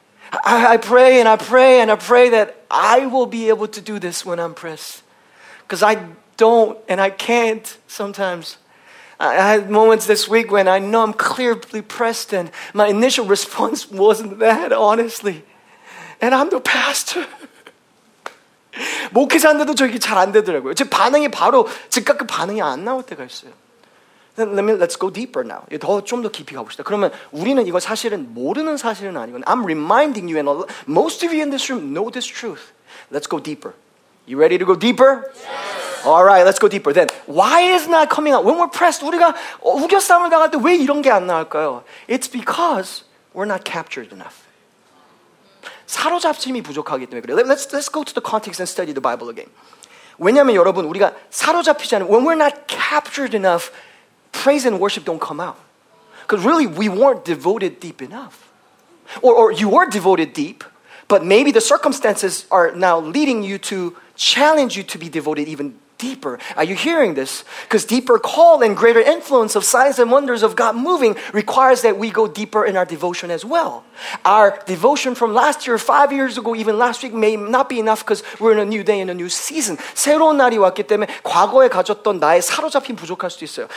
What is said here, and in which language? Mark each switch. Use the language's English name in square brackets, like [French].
[English] I pray and I pray and I pray that I will be able to do this when I'm pressed. Because I don't and I can't sometimes. I had moments this week when I know I'm clearly pressed and my initial response wasn't that, honestly. And I'm the pastor. [Korean] 목회자인데도 저 이게 잘 안 되더라고요. 제 반응이 바로 즉각 그 반응이 안 나올 때가 있어요. [English] Let's go deeper now. [Korean] 더 좀 더 깊이 가봅시다. 그러면 우리는 이거 사실은 모르는 사실은 아니고 [English] I'm reminding you and most of you in this room know this truth. Let's go deeper. You ready to go deeper? Yes. All right, let's go deeper. Then why is not coming out? When we're pressed, [Korean] 우리가 우겨싸움을 당할 때 왜 이런 게 안 나올까요? [English] It's because we're not captured enough. [Korean] 사로잡힘이 부족하기 때문에 그래요. [English] Let's go to the context and study the Bible again. [Korean] 왜냐하면 여러분 우리가 사로잡히지 않으면 [English] when we're not captured enough, praise and worship don't come out. Because really, we weren't devoted deep enough. Or you were devoted deep, but maybe the circumstances are now leading you to challenge you to be devoted even deeper. Are you hearing this? Because deeper call and greater influence of signs and wonders of God moving requires that we go deeper in our devotion as well. Our devotion from last year, 5 years ago, even last week may not be enough because we're in a new day and a new season. [Korean] 새로운 날이 왔기 때문에 과거에 가졌던 나의 사로잡힘 부족할 수도 있어요.